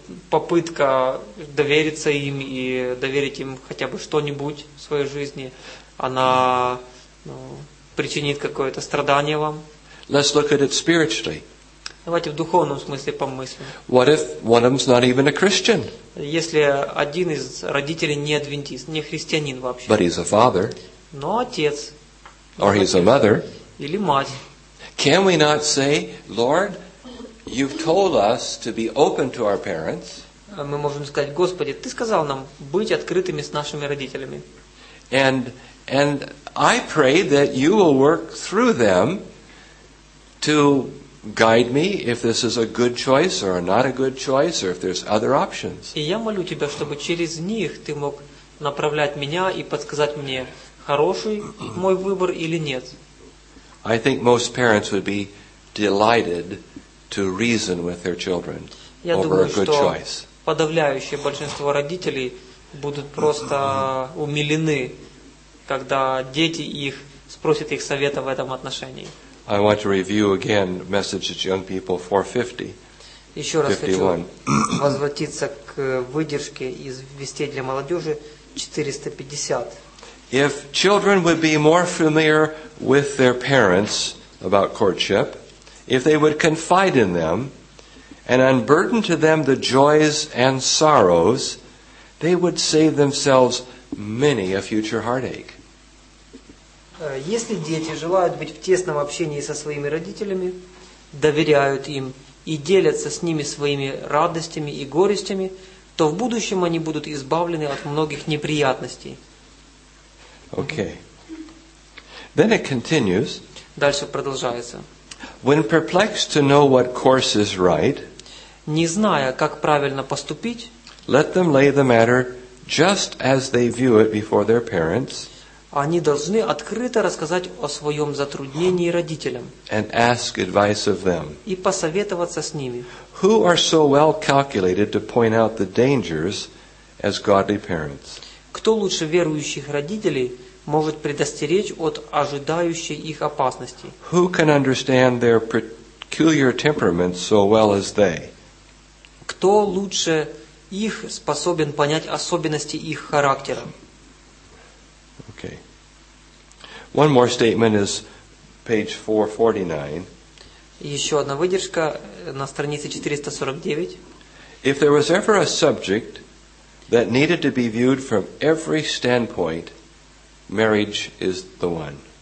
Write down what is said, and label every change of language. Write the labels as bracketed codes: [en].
[ru] Попытка довериться им и доверить им хотя бы что-нибудь в своей жизни, она причинит какое-то страдание вам. [en] Let's look at it spiritually. [ru] Давайте в духовном смысле помыслим. [en] What if one of them's not even a Christian? [ru] Если один из родителей не адвентист, не христианин вообще. [en] But he's a father. [ru] Но отец. [en] Or he's a mother. [ru] Или мать. [en] Can we not say, Lord, You've told us to be open to our parents. [ru] Мы можем сказать, Господи, Ты сказал нам быть открытыми с нашими родителями. [en] And I pray that You will work through them to guide me if this is a good choice or not a good choice or if there's other options. [ru] И я молю Тебя, чтобы через них Ты мог направлять меня и подсказать мне, хороший мой выбор или нет. [en] I think most parents would be delighted to reason with their children over a good choice. [ru] Подавляющее большинство родителей будут просто умилены, когда дети их спросят их совета в этом отношении. [en] I want to review again message to young people 450. [ru] Еще раз 51. Хочу возвратиться к выдержке из «Вестей для молодежи» 450. [en] If children would be more familiar with their parents about courtship, if they would confide in them and unburden to them the joys and sorrows, they would save themselves many a future heartache. [ru] Если дети желают быть в тесном общении со своими родителями, доверяют им и делятся с ними своими радостями и горестями, то в будущем они будут избавлены от многих неприятностей. [en] Okay. Then it continues. [ru] Дальше продолжается. [en] When perplexed to know what course is right, [ru] не зная, как правильно поступить, [en] let them lay the matter just as they view it before their parents. [ru] Они должны открыто рассказать о своем затруднении родителям [en] and ask advice of them. [ru] И посоветоваться с ними. [en] Who are so well calculated to point out the dangers as godly parents? [ru] Кто лучше верующих родителей может предостеречь от ожидающей их опасности? [en] Who can understand their peculiar temperaments so well as they? [ru] Кто лучше их способен понять особенности их характера? [en] Okay. One more statement is page 449. [ru] Еще одна выдержка на странице 449. [en] If there was ever a subject that needed to be viewed from every standpoint, marriage is the one.